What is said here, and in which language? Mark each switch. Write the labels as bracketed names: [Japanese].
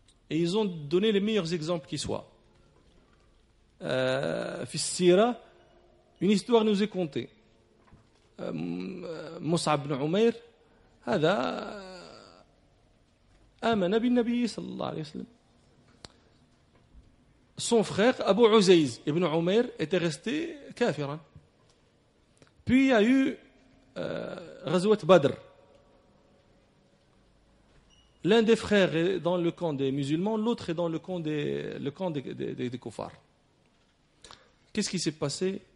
[French] Et ils ont donné les meilleurs exemples qui soient. Fils Sira, une histoire nous est contée. [Arabic] Mus'ab ibn Umair, هذا آمن بالنبي صلى الله عليه وسلم. [French] Son frère Abu Uzayz ibn Umair était resté كافرا. Puis il y a eu غزوة بدر. L'un des frères est dans le camp des musulmans, l'autre est dans le camp des kuffars. Qu'est-ce qui s'est passé?